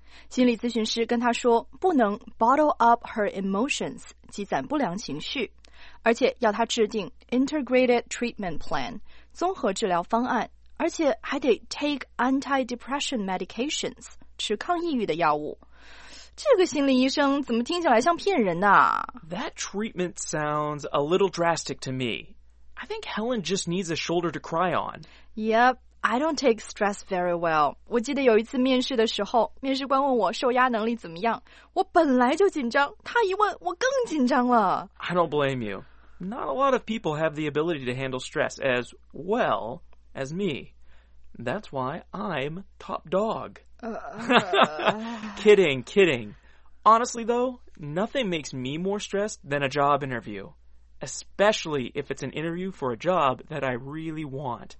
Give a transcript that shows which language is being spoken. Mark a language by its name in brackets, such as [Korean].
[Chinese] 心理咨询师跟她说，不能 [English] bottle up her emotions， [Chinese] 积攒不良情绪，而且要她制定 [English] integrated treatment plan， [Chinese] 综合治疗方案，而且还得 [English] take anti-depression medications， [Chinese] 吃抗抑郁的药物。这个心理医生怎么听起来像骗人呢? [English] That treatment sounds a little drastic to me. I think Helen just needs a shoulder to cry on. Yep, I don't take stress very well. [Chinese] 我记得有一次面试的时候，面试官问我受压能力怎么样，我本来就紧张，他一问我更紧张了。 [English] I don't blame you. Not a lot of people have the ability to handle stress as well as me. That's why I'm top dog. kidding. Honestly, though, nothing makes me more stressed than a job interview, especially if it's an interview for a job that I really want.